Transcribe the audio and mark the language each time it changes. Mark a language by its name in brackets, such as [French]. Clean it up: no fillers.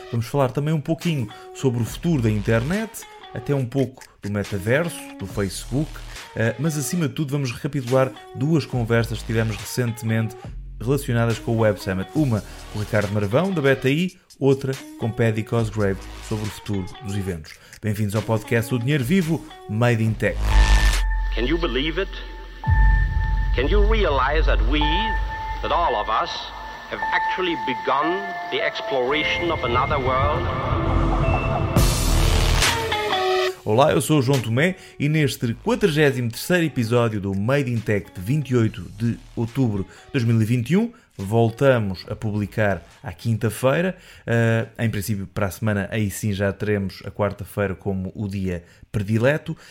[Portuguese] Vamos falar também um pouquinho sobre o futuro da internet, até um pouco do metaverso, do Facebook, mas acima de tudo vamos recapitular duas conversas que tivemos recentemente relacionadas com o Web Summit. Uma com o Ricardo Marvão, da BetaI, outra com Paddy Cosgrave, sobre o futuro dos eventos. Bem-vindos ao podcast O Dinheiro Vivo, Made in Tech. [English] Can you believe it? Can you realize that we, that all of us, have actually begun the exploration of another world? [Portuguese] Olá, eu sou o João Tomé e neste 43º episódio do Made in Tech de 28 de outubro de 2021, voltamos a publicar à quinta-feira. Em princípio, para a semana, aí sim já teremos a quarta-feira como o dia predileto.